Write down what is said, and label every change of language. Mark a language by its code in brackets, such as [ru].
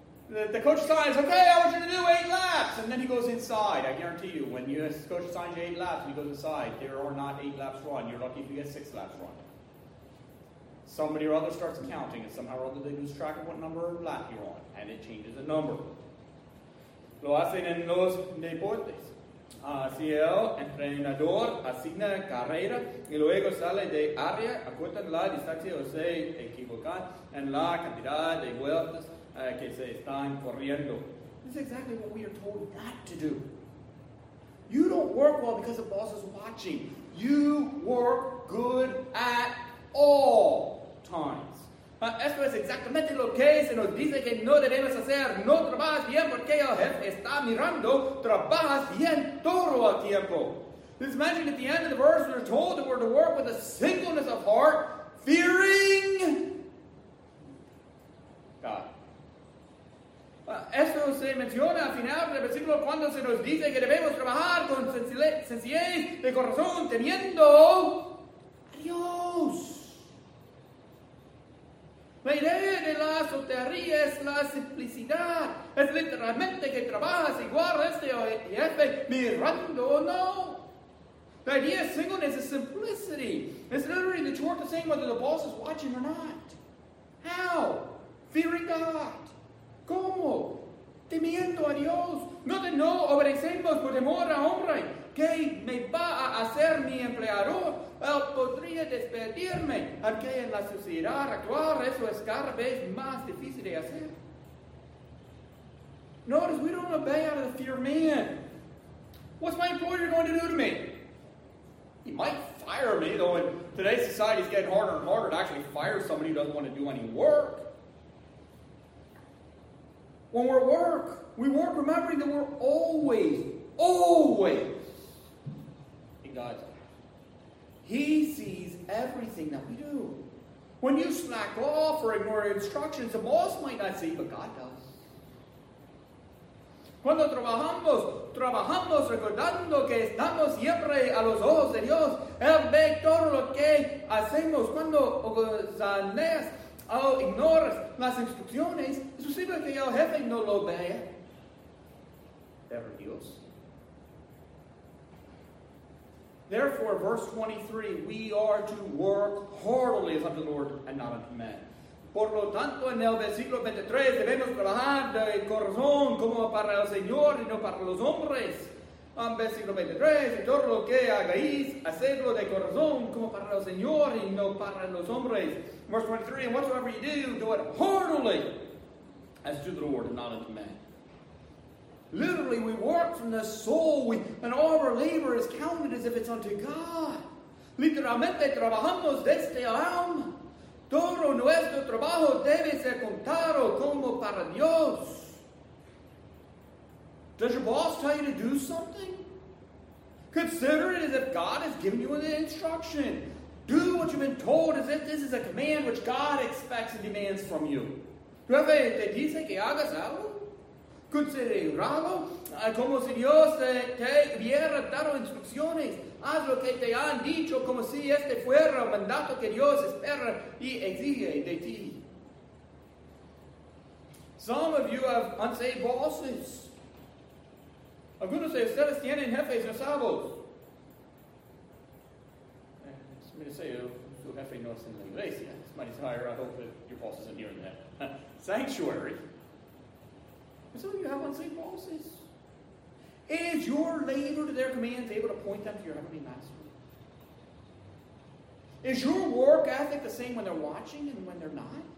[en] The coach signs, okay, I want you to do 8 laps. And then he goes inside. I guarantee you, when you coach signs you 8 laps and he goes inside, there are not 8 laps run. You're lucky if you get 6 laps run. Somebody or other starts counting, and somehow or other they lose track of what number of lap you're on, and it changes the number. [es] Lo hacen en los deportes. Si el entrenador asigna carrera y luego sale de área, acortan la distancia o se equivocan en la cantidad de vueltas que se están corriendo. [en] This is exactly what we are told not to do. You don't work well because the boss is watching. You work good at all times. [es] Esto es exactamente lo que se nos dice que no debemos hacer. No trabajas bien porque el jefe está mirando. Trabajas bien todo el tiempo. [en] Just imagine at the end of the verse we're told that we're to work with a singleness of heart, fearing God. [es] Esto se menciona al final del versículo cuando se nos dice que debemos trabajar con sencillez de corazón, temiendo a Dios. La idea de la soltería es la simplicidad. Es literalmente que trabajas igual este jefe mirando o no. [en] The idea of singleness is simplicity. It's literally that you work the same whether the boss is watching or not. How? Fearing God. [es] ¿Cómo? Temiendo a Dios. No de no obedecemos por temor a hombre. ¿Qué me va a hacer mi empleador? Él podría despedirme, aunque en la sociedad actual eso es cada vez más difícil de hacer. [en] Notice, we don't obey out of the fear of man. What's my employer going to do to me? He might fire. fire me, though in today's society it's getting harder and harder to actually fire somebody who doesn't want to do any work. When we're at work, we work remembering that we're always, always in God's eye. He sees everything that we do. When you slack off or ignore instructions, the boss might not see, but God does. [es] Cuando trabajamos, trabajamos recordando que estamos siempre a los ojos de Dios. Él ve todo lo que hacemos. Cuando gozaneas o ignoras las instrucciones, es posible que el jefe no lo vea. Pero Dios. [en] Therefore, verse 23, we are to work heartily as unto the Lord and not unto men. [es] Por lo tanto, en el versículo 23, debemos trabajar de corazón como para el Señor y no para los hombres. En versículo 23, todo lo que hagáis, hacedlo de corazón como para el Señor y no para los hombres. [en] Verse 23, and whatsoever you do it heartily as to the Lord and not unto men. Literally, we work from the soul, and all our labor is counted as if it's unto God. [es] Literalmente, trabajamos desde el alma. Todo nuestro trabajo debe ser contado como para Dios. [en] Does your boss tell you to do something? Consider it as if God has given you an instruction. Do what you've been told as if this is a command which God expects and demands from you. [es] ¿Tu jefe te dice que hagas algo? Considerado como si Dios te hubiera dado instrucciones. Haz lo que te han dicho como si este fuera el mandato que Dios espera y exige de ti. [en] Some of you have unsaved bosses. [es] Algunos de ustedes tienen jefes no salvos. [en] Somebody say, [es] tu jefe no es en la iglesia. [en] Somebody say, I hope that your boss isn't hearing that. Sanctuary. Some of you have unsaved bosses. Is your labor to their commands able to point them to your heavenly master? Is your work ethic the same when they're watching and when they're not?